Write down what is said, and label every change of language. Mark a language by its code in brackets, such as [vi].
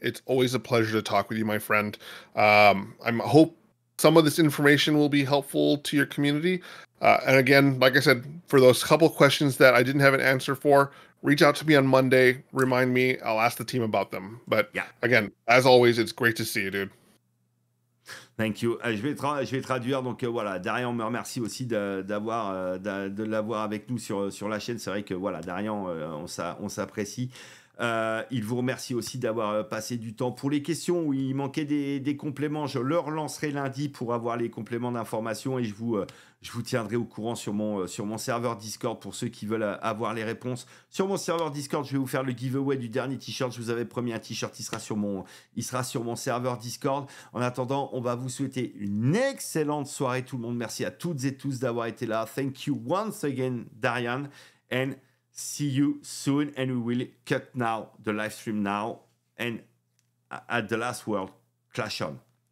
[en] It's always a pleasure to talk with you, my friend. I hope some of this information will be helpful to your community. And again, like I said, for those couple questions that I didn't have an answer for, reach out to me on Monday. Remind me. I'll ask the team about them. But yeah. Again, as always, it's great to see you, dude. Thank you. [fr] Je vais traduire. Donc voilà, Darian me remercie aussi de l'avoir avec nous sur la chaîne. C'est vrai que voilà, Darian, on s'apprécie. Il vous remercie aussi d'avoir passé du temps. Pour les questions où il manquait des compléments, je leur lancerai lundi pour avoir les compléments d'information et je vous tiendrai au courant sur mon serveur Discord pour ceux qui veulent avoir les réponses. Sur mon serveur Discord, je vais vous faire le giveaway du dernier t-shirt. Je vous avais promis un t-shirt, il sera sur mon serveur Discord. En attendant, on va vous souhaiter une excellente soirée, tout le monde. Merci à toutes et tous d'avoir été là. [en] Thank you once again, Darian. And see you soon. And we will cut now the live stream now. And at the last word, clash on.